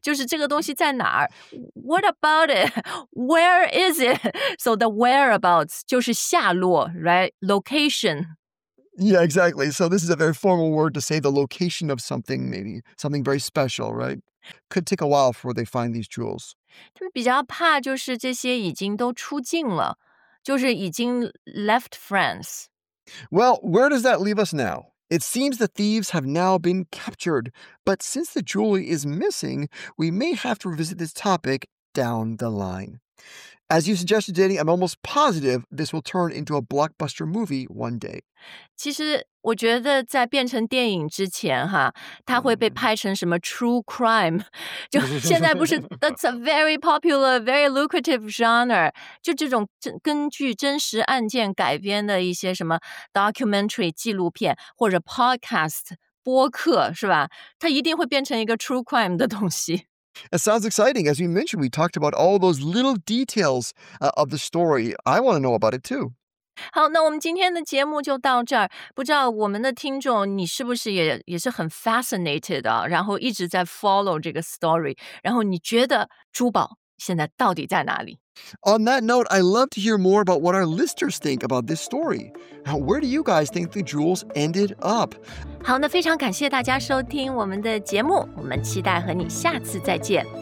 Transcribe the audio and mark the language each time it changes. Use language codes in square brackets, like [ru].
[zh] 就是这个东西在哪儿 [en] What about it? Where is it? So the whereabouts [zh] 就是下落 [en] right? Location. Yeah, exactly. So this is a very formal word to say the location of something, maybe something very special, right? Could take a while before they find these jewels. [zh] 他们比较怕就是这些已经都出境了。就是已经 [en] left France. Well, where does that leave us now? It seems the thieves have now been captured. But since the jewelry is missing, we may have to revisit this topic down the line. As you suggested, Danny, I'm almost positive this will turn into a blockbuster movie one day. [zh] 其实我觉得在变成电影之前哈，它会被拍成什么 true crime， 就现在不是 [en] that's a very popular, very lucrative genre， [zh] 就这种根据真实案件改编的一些什么 documentary 纪录片或者 podcast 播客是吧？它一定会变成一个 true crime 的东西。 [en] It sounds exciting. As we mentioned, we talked about all those little details, of the story. I want to know about it too. [zh] 好，那我们今天的节目就到这儿。不知道我们的听众，你是不是也是很 fascinated 啊？然后一直在 follow 这个 story。然后你觉得珠宝现在到底在哪里？ [en] On that note, I'd love to hear more about what our listeners think about this story. Now, where do you guys think the jewels ended up? [zh] 好，那非常感谢大家收听我们的节目，我们期待和你下次再见。